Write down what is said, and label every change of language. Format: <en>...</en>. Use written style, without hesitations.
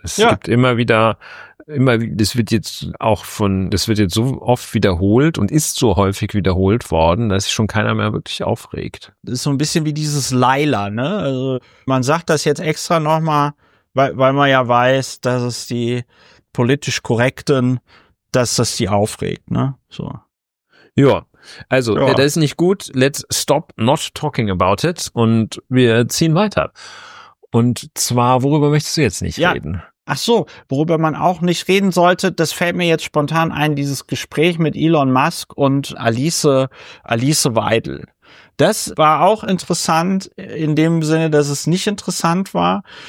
<de>Es gibt das wird jetzt so oft wiederholt und ist so häufig wiederholt worden, dass sich schon keiner mehr wirklich aufregt. Das ist so ein bisschen wie dieses Leila, ne? Also man sagt das jetzt extra nochmal, weil man ja weiß, dass es die politisch Korrekten, dass das die aufregt, ne? So. Ja. Also, ja. Das ist nicht gut.</de> <en>Let's stop not talking about it.</en> <de>Und wir ziehen weiter. Und zwar, worüber möchtest du jetzt nicht reden? Ach so, worüber man auch nicht reden sollte, das fällt mir jetzt spontan ein, dieses Gespräch mit Elon Musk und Alice Weidel. Das war auch interessant in dem Sinne, dass es nicht interessant war.</de>